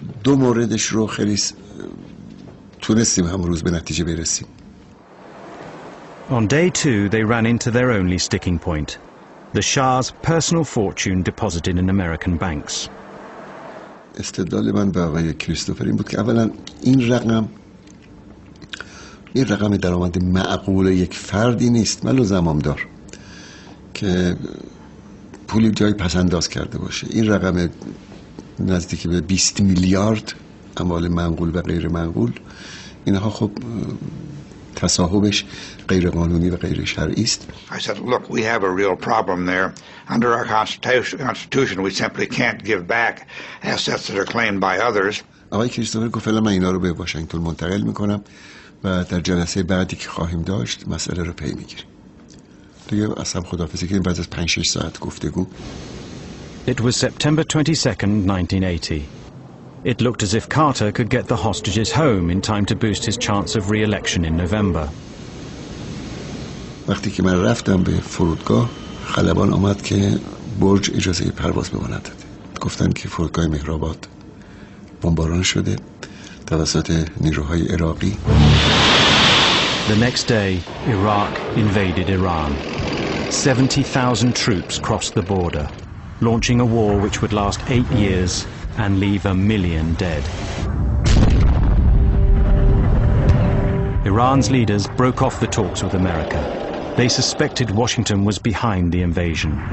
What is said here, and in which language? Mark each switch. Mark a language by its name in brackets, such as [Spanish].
[Persian] دو موردش رو خیلی تونستیم همون روز به نتیجه برسیم. [English] On day two, they ran into their only sticking point, the Shah's personal fortune deposited in American banks. [Persian] استدلال من به آقای کریستوفر این بود که اولا این رقم درآمد معقول یک فردی نیست من لزمام دار که پولی جای پسنداز کرده باشه این رقم نزدیکی به 20 میلیارد اموال منقول و غیر منقول اینها خب تصاحبش غیر قانونی و غیر شرعی است. [English] I said, look, we have a real problem there. Under our constitution, we simply can't give back assets that are claimed by others. [Persian] آقای کریستوفر گفت فعلا من اینا رو به واشنگتن منتقل میکنم و در جلسه بعدی که خواهیم داشت مسئله رو پی میگیریم. دیگه اصلا خدافظی کردیم بعد از 5-6 ساعت گفتگو. [English] It was September 22nd, 1980. It looked as if Carter could get the hostages home in time to boost his chance of re-election in November. [Persian] وقتی که من رفتم به فرودگاه خلبان آمد که برج اجازه پرواز به من داده گفتن که فرودگاه مهرآباد بمباران شده توسط نیروهای عراقی. [English] The next day, Iraq invaded Iran. 70,000 troops crossed the border, launching a war which would last 8 years and leave a million dead. Iran's leaders broke off the talks with America. They suspected Washington was behind the invasion.